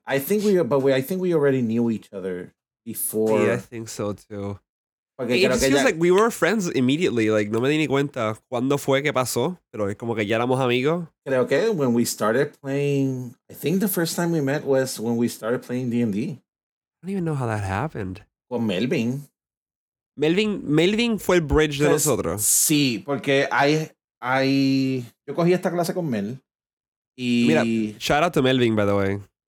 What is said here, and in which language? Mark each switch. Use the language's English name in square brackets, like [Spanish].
[English] I think we already knew each other before. Yeah, I think so too. Okay, it just feels like we were friends immediately. [Spanish] Like, no me di ni cuenta cuándo fue que pasó, pero es como que ya éramos amigos. Creo que [English] when we started playing, I think the first time we met was when we started playing D&D. I don't even know how that happened. Well, Melvin. [Spanish] Melvin fue el bridge de nosotros. Sí, porque I yo cogí esta clase con Mel. Y... [English] Mira, shout out to Melvin, by the way.